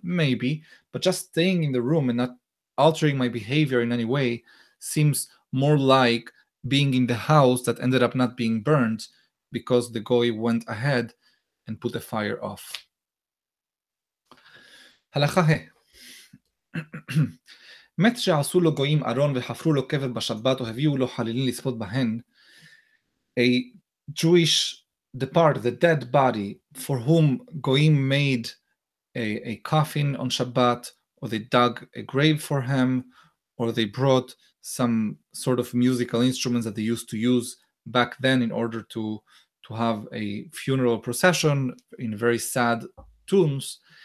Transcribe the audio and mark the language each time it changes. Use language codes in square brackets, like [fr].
[en] Maybe, but just staying in the room and not altering my behavior in any way seems more like being in the house that ended up not being burned because the goy went ahead and put the fire off. [he] Halakha he. מת שעשו לו גויים ארון וחפרו לו קבר בשבת או הביאו לו חלילים לספות בהן. [en] A Jewish departed, the dead body, for whom goyim made a coffin on Shabbat, or they dug a grave for him, or they brought some sort of musical instruments that they used to use back then in order to have a funeral procession in very sad tombs.